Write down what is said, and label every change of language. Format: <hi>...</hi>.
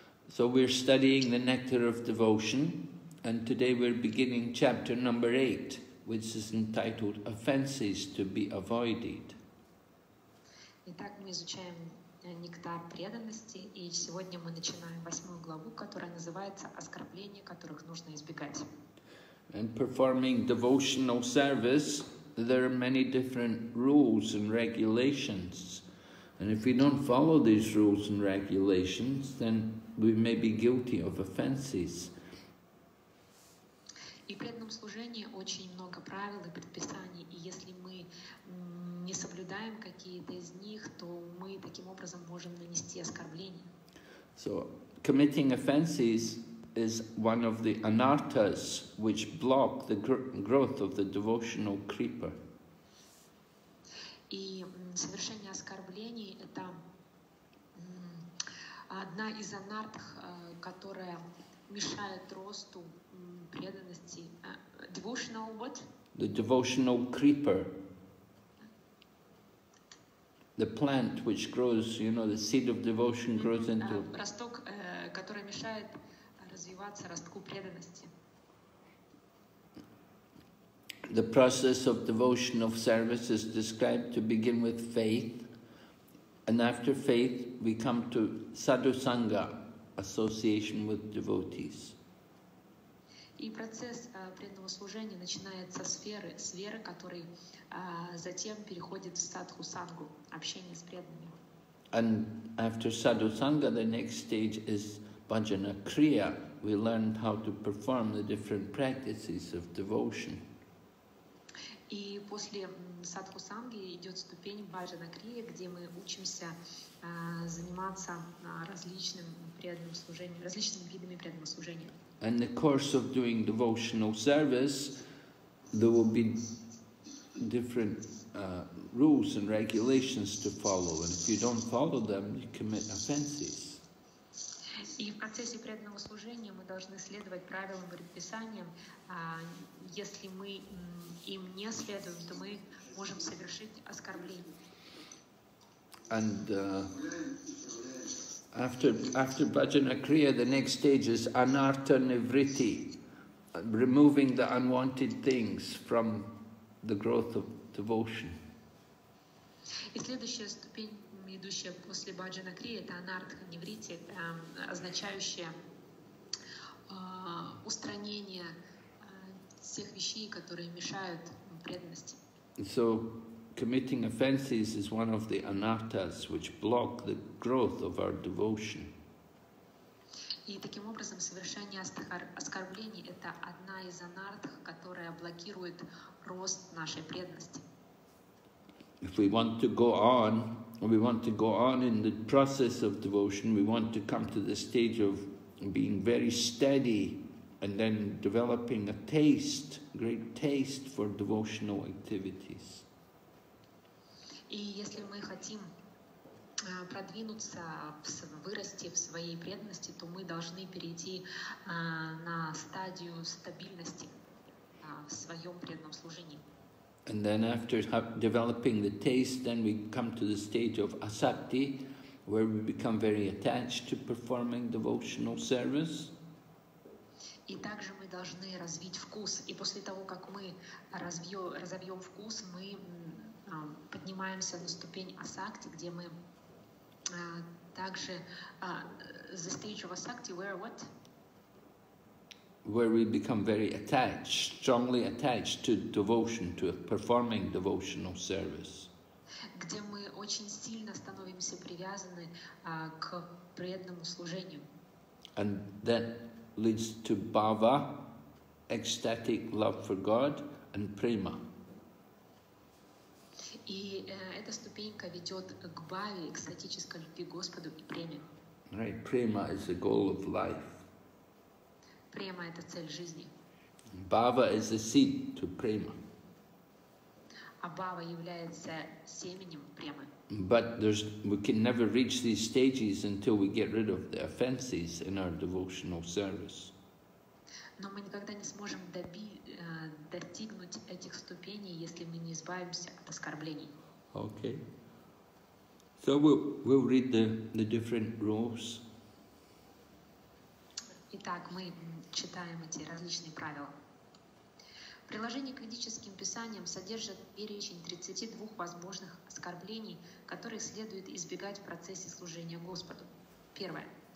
<en>So we're studying the Nectar of Devotion, and today we're beginning chapter number 8, which is entitled Offenses to be Avoided.</en> <ru>Итак, мы изучаем нектар преданности, и сегодня мы начинаем восьмую главу, которая называется «Оскорбления, которых нужно избегать».</ru> <en>In performing devotional service, there are many different rules and regulations. And if we don't follow these rules and regulations, then we may be guilty of offenses.</en> <ru>И в преданном служении очень много правил и предписаний, и если мы не соблюдаем какие-то из них, то мы таким образом можем нанести оскорбление.</ru> <en>So, committing offenses is one of the anarthas which block the growth of the devotional creeper.</en> <ru>И совершение оскорблений — это одна из анартх, которая мешает росту преданности.</ru> <en>Devotional what? The devotional creeper. The plant which grows, you know, the seed of devotion grows into...</en> <ru>Росток, который мешает развиваться ростку преданности.</ru> <en>The process of devotion of service is described to begin with faith, and after faith we come to sadhusanga, association with devotees.</en> <ru>И процесс преданного служения начинается с веры, с веры, который затем переходит в садху-сангу, общение с преданными.</ru> <en>And after sadhu-sangha, the next stage is bhajana-kriya. We learned how to perform the different practices of devotion.</en> <ru>И после садху-санги идет ступень bhajana-kriya, где мы учимся заниматься различным преданным служением, различными видами преданного служения.</ru> <en>In the course of doing devotional service, there will be different rules and regulations to follow, and if you don't follow them, you commit offenses.</en> <ru>И в процессе преданного служения мы должны следовать правилам и предписаниям. Если мы им не следуем, то мы можем совершить оскорбление.</ru> <en>And after bhajana kriya, the next stage is anartha nivritti, removing the unwanted things from the growth of devotion.</en> <ru>И следующая ступень, идущая после bhajana kriya, это anartha nivritti, означающая устранение всех вещей, которые мешают преданности.</ru> <en>So, committing offenses is one of the anarthas which block the growth of our devotion.</en> <ru>И таким образом совершение оскорблений — это одна из анартх, которая блокирует рост нашей преданности.</ru> <en>If we want to go on, we want to go on in the process of devotion, we want to come to the stage of being very steady and then developing a taste, great taste for devotional activities.</en> <ru>И если мы хотим продвинуться, вырасти в своей преданности, то мы должны перейти на стадию стабильности в своем преданном служении.</ru> <en>And then after developing the taste, then we come to the stage of asakti, where we become very attached to performing devotional service.</en> <ru>И также мы должны развить вкус. И после того, как мы разовьем вкус, мы поднимаемся на ступень асакти, где мы также</ru> <en>the stage of asakti, where what? Where we become very attached, strongly attached to devotion, to performing devotional service.</en> <ru>Где мы очень сильно становимся привязаны к преданному служению.</ru> <en>And that leads to bhava, ecstatic love for God, and prema.</en> <ru>И эта ступенька ведет к бхаве, экстатической любви к Господу и преме.</ru> <en>Right, prema is the goal of life.</en> <ru>Према — это цель жизни.</ru> <en>Bhava is the seed to prema.</en> <ru>А бхава является семенем премы.</ru> <en>But there's, we can never reach these stages until we get rid of the offenses in our devotional service.</en> <ru>Но мы никогда не сможем достигнуть этих ступеней, если мы не избавимся от оскорблений.</ru> <en>Okay. So we'll read the different rules.</en> <ru>Итак, мы читаем эти различные правила. Приложение к ведическим писаниям содержит перечень 32 возможных оскорблений, которые следует избегать в процессе служения Господу. Первое.</ru>